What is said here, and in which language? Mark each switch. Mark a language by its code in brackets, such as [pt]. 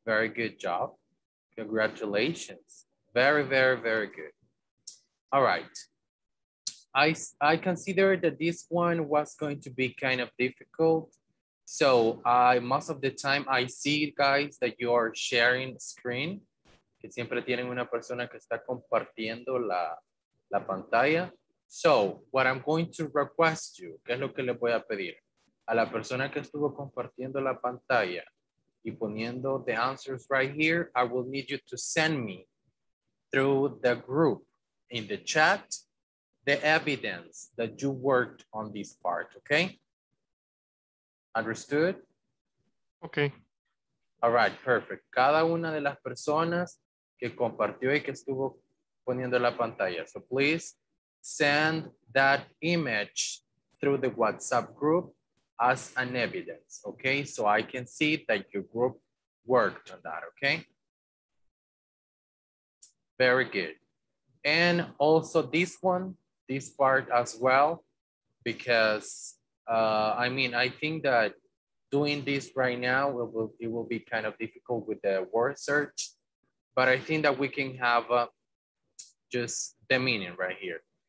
[en] Very good job. Congratulations. Very, very, very good. All right. I consider that this one was going to be kind of difficult. So I most of the time I see guys that you are sharing screen. [es] Que siempre tienen una persona que está compartiendo la pantalla. [en] So what I'm going to request you, [es] ¿qué es lo que le voy a pedir? A la persona que estuvo compartiendo la pantalla y poniendo [en] the answers right here, I will need you to send me through the group in the chat the evidence that you worked on this part, okay? Understood? Okay. All right, perfect. [es] Cada una de las personas que compartió y que estuvo poniendo la pantalla. [en] So please send that image through the WhatsApp group as an evidence, okay? So I can see that your group worked on that, okay? Very good. And also this one, this part as well, because I mean, I think that doing this right now, it will be kind of difficult with the word search, but I think that we can have just the meaning right here.